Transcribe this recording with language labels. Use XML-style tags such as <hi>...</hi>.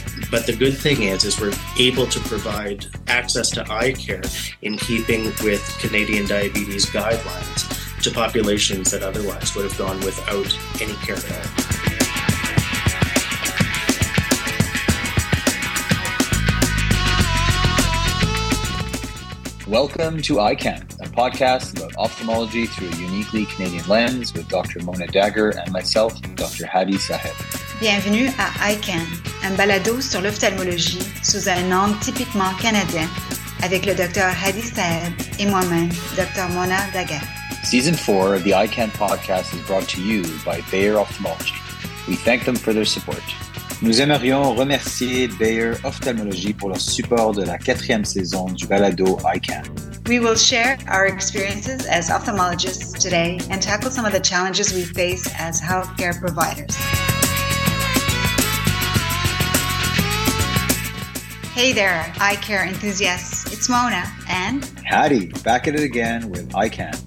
<en>But the good thing is we're able to provide access to eye care in keeping with Canadian diabetes guidelines to populations that otherwise would have gone without any care at all. Welcome to EyeCan, a podcast about ophthalmology through a uniquely Canadian lens with Dr. Mona Dagher and myself, Dr. Hadi Saheb.</en> <fr>Bienvenue à EyeCan, un balado sur l'ophtalmologie sous un angle typiquement canadien avec le Dr. Hadi Saheb et moi-même, Dr. Mona Dagher.</fr> <en>Season 4 of the EyeCan podcast is brought to you by Bayer Ophthalmology. We thank them for their support.</en> <fr>Nous aimerions remercier Bayer Ophthalmology pour leur support de la quatrième saison du balado EyeCan.</fr> <en>We will share our experiences as ophthalmologists today and tackle some of the challenges we face as healthcare providers. Hey there, eye care enthusiasts. It's Mona and... Hadi, back at it again with EyeCan.</en>